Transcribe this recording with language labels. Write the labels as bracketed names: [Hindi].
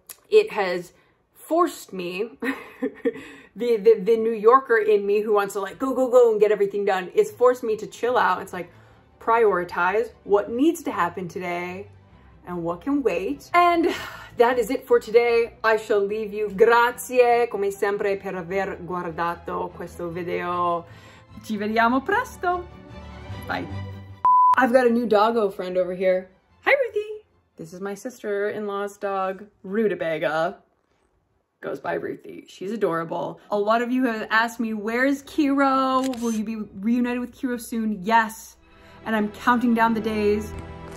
[English] It has forced me, the New Yorker in me who wants to like go and get everything done, is forced me to chill out. It's like prioritize what needs to happen today and what can wait. And that is it for today. I shall leave you. [Italian] Grazie come sempre per aver guardato questo video. Ci vediamo presto. [English] Bye. I've got a new doggo friend over here. Hi Ruthie. This is my sister-in-law's dog, Rutabaga. Goes by Ruthie. She's adorable. A lot of you have asked me, where is Kiro? Will you be reunited with Kiro soon? Yes. And I'm counting down the days.